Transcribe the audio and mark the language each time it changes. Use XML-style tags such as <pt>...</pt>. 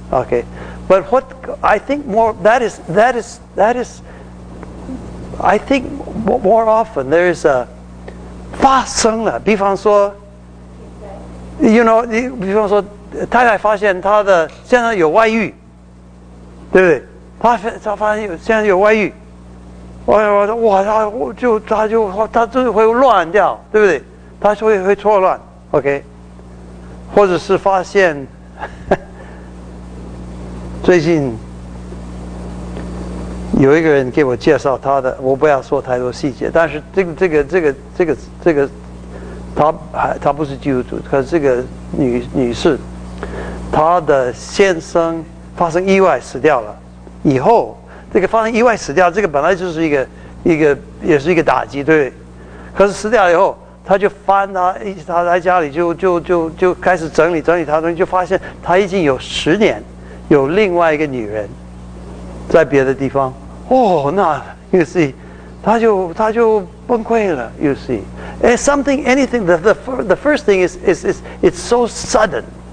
<en>Okay， but what I think more I think more often there is a</en> <zh>发生了，比方说</zh> <en>，You know， 比方说。</en> <zh>太太发现她的先生有外遇，对不对？她发现先生有外遇，她就会乱掉，对不对？她就会错乱 ，OK？ 或者是发现最近有一个人给我介绍他的，我不要说太多细节，但是这个，他不是基督徒，可是这个女士。他的先生发生意外死掉了，以后这个发生意外死掉，这个本来就是一个也是一个打击，对不对？可是死掉以后，他就翻他来家里就开始整理他的东西，就发现他已经有十年有另外一个女人在别的地方。哦，那</zh> <en>you see，</en> <zh>他就崩溃了。</zh> <en>You see， and something anything the first thing is it's so sudden。</en>